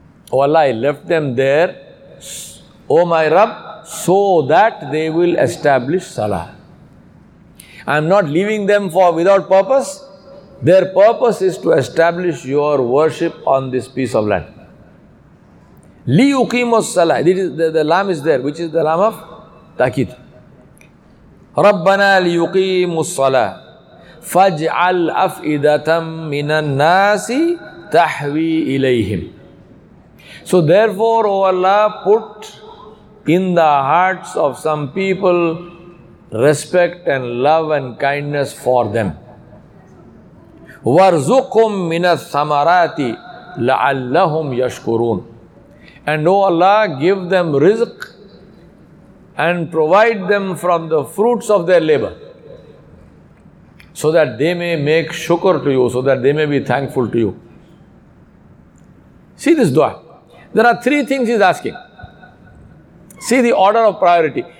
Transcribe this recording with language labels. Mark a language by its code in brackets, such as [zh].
[en] Oh Allah, I left them there, oh my Rabb, so that they will establish salah. I am not leaving them without purpose. Their purpose is to establish your worship on this piece of land. [ar] Liyuqimu salah. [en] The lam is there, which is the lam of taqid. [ar] ربنا ليقيم الصلاة فاجعل أفئدة من الناس تحوي إليهم. [en] So therefore, O Allah, put in the hearts of some people respect and love and kindness for them. [ar] وارزقهم من الثمرات لعلهم يشكرون. [en] And O Allah, give them rizq and provide them from the fruits of their labor, so that they may make shukr to you, so that they may be thankful to you. See this dua. There are three things he's asking. See the order of priority.